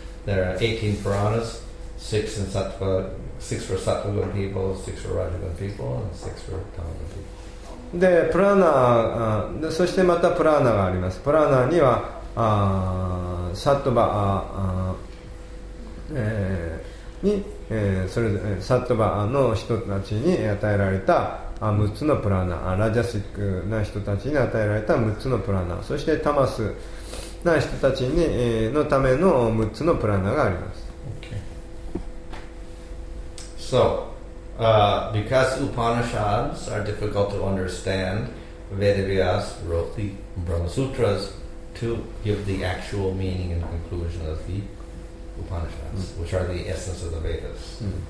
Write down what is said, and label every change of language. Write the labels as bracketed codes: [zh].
[en] There are 18 Puranas, six for Sattva-gun people, six for Raja-gun people, and six for Tama-gun people. [ja] で、プラナ、そしてまたプラナがあります。プラナにはサットバ、にそれぞれサットバの人たちに与えられた6つのプラーナ、ラジャスティックな人たちに与えられた6つのプラーナ、そしてタマスな人たちにのための6つのプラーナがあります。 [en] Okay. So, because Upanishads are difficult to understand, Vedavyas wrote the Brahma Sutras to give the actual meaning and conclusion of the Upanishads, which are the essence of the Vedas.